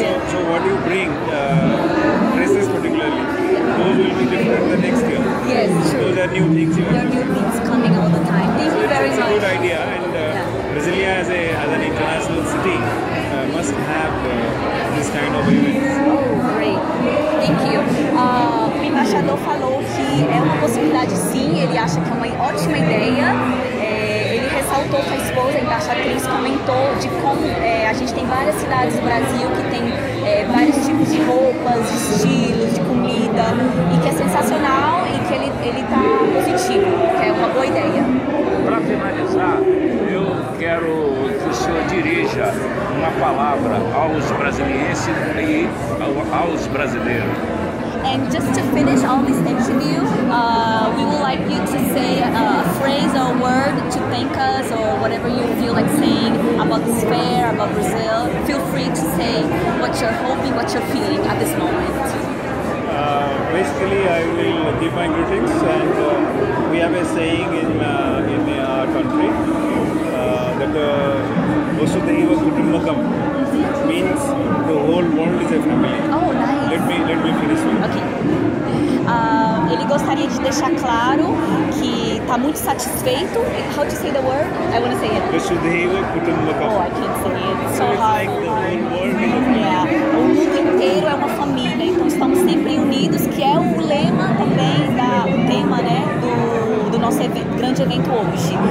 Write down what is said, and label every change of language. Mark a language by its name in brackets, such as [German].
[English] So what do you bring, dresses particularly, those will be different the next year. Yes, true. Those are new things. There are new things coming all the time. Thank you very much. It's a good idea. And Brasilia as an international city must have this kind of events. Thank you. [Portuguese] O embaixador falou que é uma possibilidade sim, ele acha que é uma ótima ideia. Ele ressaltou que a esposa, a embaixatriz, comentou de como a gente tem várias cidades no Brasil que tem vários tipos de roupas, de estilos, de comida, e que é sensacional e que ele está positivo, que é uma boa ideia. Para finalizar, eu quero que o senhor dirija uma palavra aos brasileiros e aos brasileiros. [English] And just to finish all this interview, we would like you to say a phrase or a word to thank us or whatever you feel like saying about this fair, about Brazil. Feel free to say what you're hoping, what you're feeling at this moment. Basically, I will give my greetings, and we have a saying in our country that Vasudeva Kutumbakam means the whole world is a family. Oh, nice. Let me finish. Okay. [Portuguese] Ele gostaria de deixar claro que está muito satisfeito. [English] How to say the word? I want to say it. [Sanskrit] Vasudeva Kutumbakam. [English] Oh, I can't say it. So it's hard. Like the whole world is a family. Yeah. [Portuguese] O mundo inteiro é uma família, então estamos sempre unidos, que é o lema também, o tema, né, do nosso grande evento hoje.